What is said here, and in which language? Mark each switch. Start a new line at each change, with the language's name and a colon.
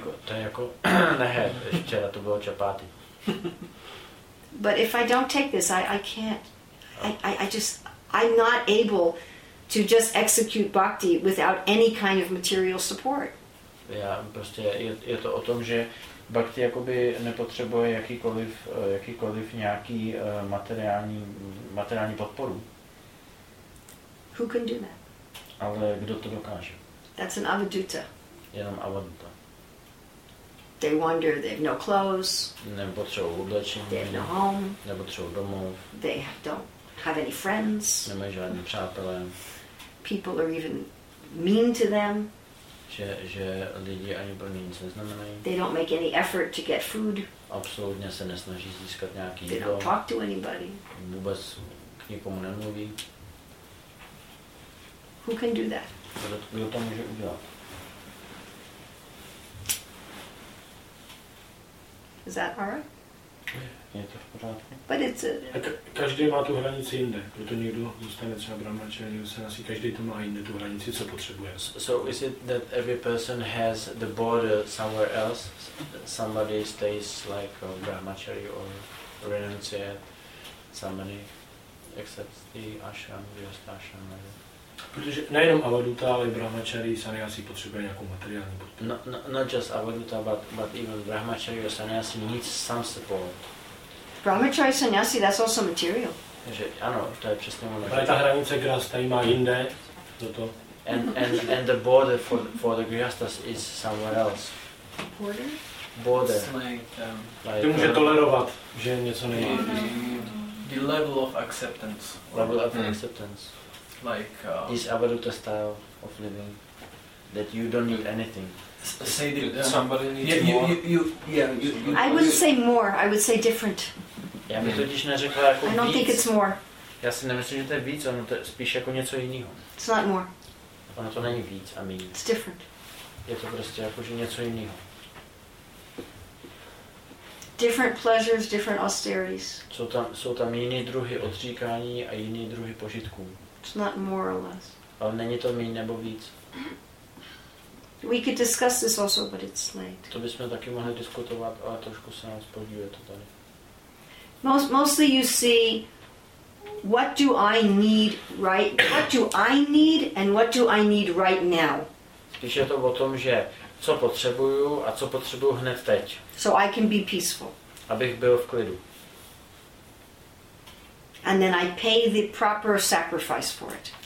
Czech: Jako ne, včera to bylo čapáty.
English: But if I don't take this, I can't. I'm not able to just execute bhakti without any kind of material support.
Czech: Já prostě je to o tom, že bhakti jakoby nepotřebuje jakýkoliv nějaký materiální podporu.
English: Who can do that?
Czech: Ale kdo to dokáže?
English: That's an avaduta.
Czech: Jenom avaduta.
English: They wander, they have no clothes.
Czech: Nepotřebují oblečení.
English: They have no home.
Czech: Nepotřebují domov.
English: They don't have any friends.
Czech: Nemají žádné přátelé.
English: People are even mean to them.
Czech: Že lidi ani pro ně nic neznamenají.
English: They don't make any effort to get food.
Czech: Absolutně se nesnaží získat nějaký
English: jídlo. They don't talk to anybody.
Czech: Vůbec k nikomu nemluví.
English: Who can do that?
Czech: Kdo to může udělat?
English: Is that alright?
Czech: Je to v pořádku.
English: But it's
Czech: každý má tu hranici jinde. Proto někdo zůstane třeba brahmačari, se asi každý to má jinde tu hranici, co potřebuje.
English: So is it that every person has the border somewhere else? Somebody stays like a brahmachari or renunciate. Somebody accepts the ashram, just ashram.
Czech: Protože nejenom avaduta, ale brahmachari, sannyasi potřebuje nějakou materiální podporu.
English: Not just avaduta, but even brahmachari or sannyasi needs some support. Brahmachari, sannyasi, that's also material.
Czech: Že, ano, to je přesně ono. Ale ta hranice grihastha má jinde, toto.
English: And the border for the grihasthas is somewhere else. Border? Border.
Czech: Like, to může tolerovat, že něco nejde.
English: Yeah. the level of acceptance. Level of acceptance. Like this Avaduta style of living, that you don't need anything. Say that somebody needs more. You I wouldn't say more. I would say different.
Czech: Já bych totiž neřekla jako
English: víc. I don't think it's more.
Czech: Já si nemyslím, že to je víc, ono to je spíš jako něco jiného.
English: It's not more.
Czech: Ono to není víc a méně.
English: It's different.
Czech: Je to prostě jako že něco jiného.
English: Different pleasures, different austerities.
Czech: Jsou tam jiné druhy odříkání a jiné druhy požitků.
English: It's not more or less.
Czech: Ale není to méně nebo víc.
English: We could discuss this also, but it's late.
Czech: To bychom taky mohli diskutovat, ale trošku se nám spodívá to tady.
English: Mostly you see, what do I need right? What do I need, and what do I need right now?
Czech: Spíš je to o tom, že co potřebuju a co potřebuju hned teď.
English: So I can be peaceful.
Czech: Abych byl v klidu.
English: And then I pay the proper sacrifice for it.